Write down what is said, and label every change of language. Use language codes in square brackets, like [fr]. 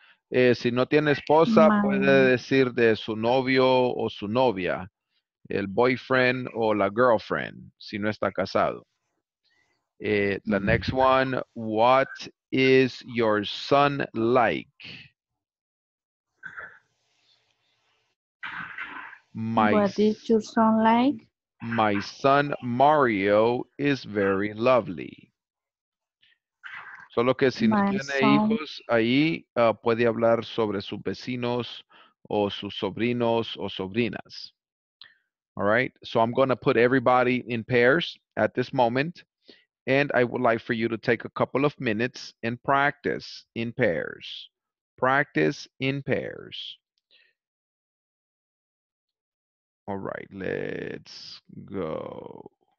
[es] Si no tiene esposa, puede decir de su novio o su novia, el boyfriend o la girlfriend, si no está casado. [en] The next one, what is your son like? What is your son like? My son Mario is very lovely. [es] Solo que si no tiene hijos ahí, puede hablar sobre sus vecinos o sus sobrinos o sobrinas. [en] All right, so I'm going to put everybody in pairs at this moment, and I would like for you to take a couple of minutes and practice in pairs. Practice in pairs. All right, let's go.